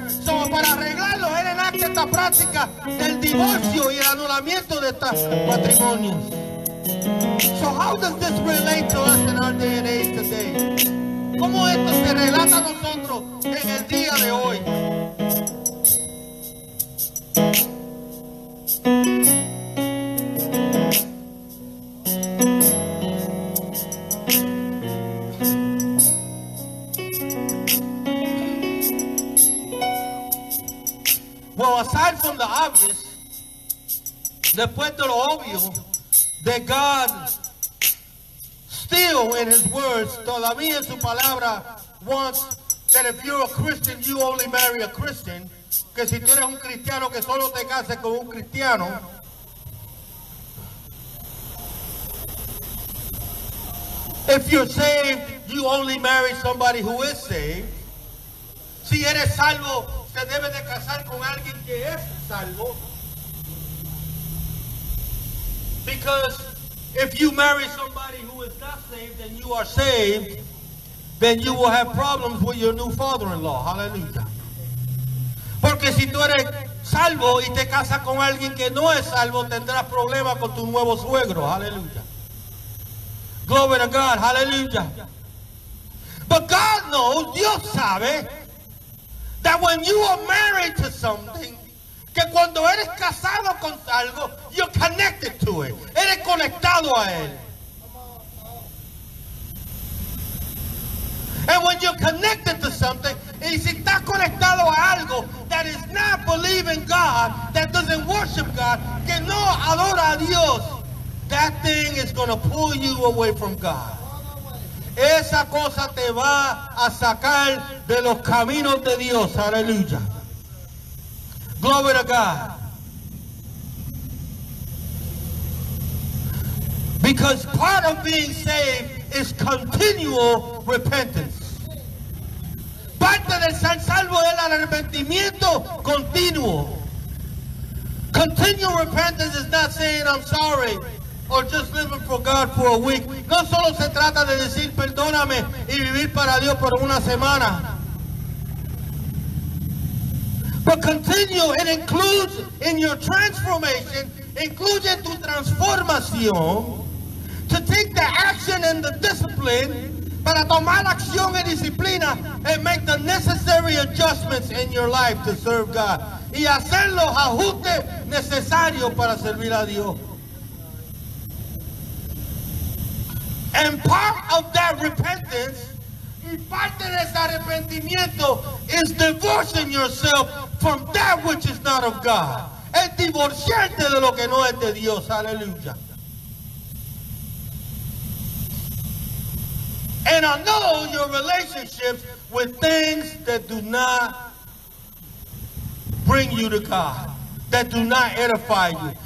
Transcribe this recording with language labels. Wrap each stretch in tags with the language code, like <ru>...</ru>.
<es>So para arreglarlo, él enacta esta práctica del divorcio y el anulamiento de estos matrimonios.</es> <en>So how does this relate to us in our day and age today?</en> <es>¿Cómo esto se relata a nosotros en el día de hoy?</es> <en>Well, aside from the obvious,</en> <es>después de lo obvio,</es> <en>that God still in his words,</en> <es>todavía en su palabra,</es> <en>wants that if you're a Christian, you only marry a Christian.</en> <es>Que si tú eres un cristiano, que solo te cases con un cristiano.</es> <en>If you're saved, you only marry somebody who is saved.</en> <es>Si eres salvo, se debe de casar con alguien que es salvo.</es> <en>Because if you marry somebody who is not saved and you are saved, then you will have problems with your new father-in-law. Hallelujah.</en> <es>Porque si tú eres salvo y te casas con alguien que no es salvo, tendrás problemas con tu nuevo suegro.</es> <en>Hallelujah. Glory to God. Hallelujah. But God knows,</en> <es>Dios sabe,</es> <en>That when you are married to something,</en> <es>que cuando eres casado con algo,</es> <en>you're connected to it.</en> <es>Eres conectado a él.</es> <en>And when you're connected to something,</en> <es>y si estás conectado a algo</es> <en>that is not believing God, that doesn't worship God,</en> <es>que no adora a Dios,</es> <en>that thing is going to pull you away from God.</en> <es>Esa cosa te va a sacar de los caminos de Dios.</es> <en>Aleluya. Glory to God. Because part of being saved is continual repentance.</en> <es>Parte de ser salvo es el arrepentimiento continuo.</es> <en>Continual repentance is not saying I'm sorry or just living for God for a week.</en> <es>No solo se trata de decir perdóname y vivir para Dios por una semana.</es> <en>But continue, it includes in your transformation,</en> <es>incluye tu transformación,</es> <en>to take the action and the discipline,</en> <es>para tomar acción y disciplina,</es> <en>and make the necessary adjustments in your life to serve God.</en> <es>Y hacer los ajustes necesarios para servir a Dios.</es> <en>And part of that repentance,</en> <es>y parte de ese arrepentimiento,</es> <en>is divorcing yourself from that which is not of God.</en> <es>Es divorciarte de lo que no es de Dios. Aleluya.</es> <en>And I know your relationships with things that do not bring you to God, that do not edify you.</en>